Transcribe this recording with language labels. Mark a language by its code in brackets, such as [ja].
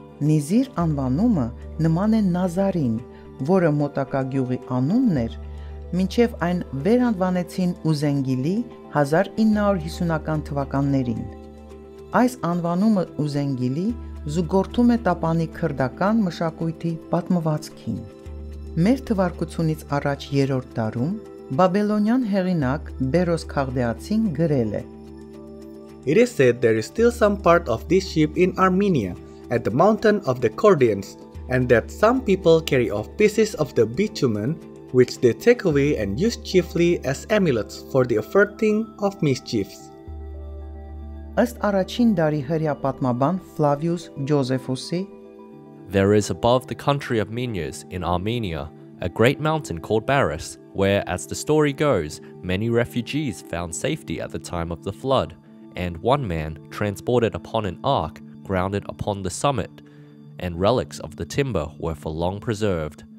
[hy] Նիզիր անվանումը նման է Նազարին, որը մոտակա գյուղի անունն էր, մինչև այն վերանվանեցին Ուզենգիլի 1950-ական թվականներին։ Այս անվանումը Ուզենգիլի զուգորդում է տապանի քրդական մշակույթի պատմվածքին։ Մեր թվարկությունից առաջ 3-րդ դարում Բաբելոնյան հեղինակ Բերոս Քաղդեացին գրել է. [en] It is said there is still some part of this ship in Armenia, at the mountain of the Chordians, and that some people carry off pieces of the bitumen, which they take away and use chiefly as amulets for the averting of mischiefs. [hy] Ըստ առաջին դարի հրեա պատմաբան Flavius Josephus-ի, [en] There is above the country of Menes in Armenia a great mountain called Baris, where, as the story goes, many refugees found safety at the time of the flood. And one man, transported upon an ark, grounded upon the summit, and relics of the timber were for long preserved.